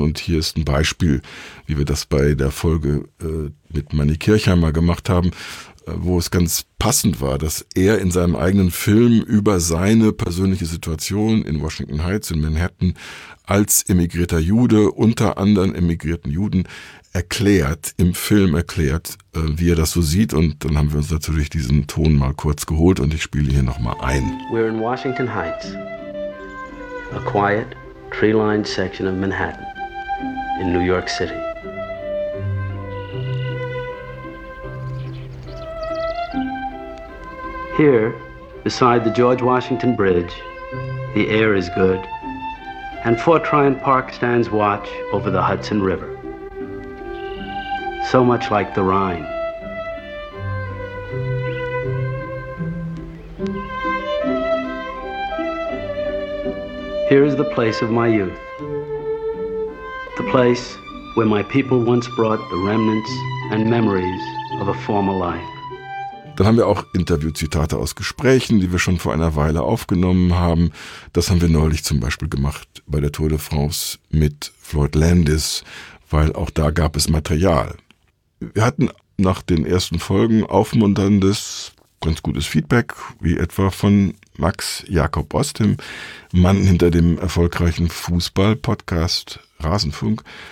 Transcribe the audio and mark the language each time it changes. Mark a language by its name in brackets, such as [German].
[German] Und hier ist ein Beispiel, wie wir das bei der Folge mit Manny Kirchheimer gemacht haben, wo es ganz passend war, dass er in seinem eigenen Film über seine persönliche Situation in Washington Heights in Manhattan als emigrierter Jude unter anderen emigrierten Juden erklärt, wie er das so sieht. Und dann haben wir uns natürlich diesen Ton mal kurz geholt und ich spiele hier nochmal ein. [English] We're in Washington Heights, a quiet tree-lined section of Manhattan in New York City. Here, beside the George Washington Bridge, the air is good, and Fort Tryon Park stands watch over the Hudson River. So much like the Rhine. Here is the place of my youth. The place where my people once brought the remnants and memories of a former life. [German] Dann haben wir auch Interviewzitate aus Gesprächen, die wir schon vor einer Weile aufgenommen haben. Das haben wir neulich zum Beispiel gemacht bei der Tour de France mit Floyd Landis, weil auch da gab es Material. Wir hatten nach den ersten Folgen aufmunterndes, ganz gutes Feedback, wie etwa von Max Jakob Ost, dem Mann hinter dem erfolgreichen Fußball-Podcast Rasenfunk.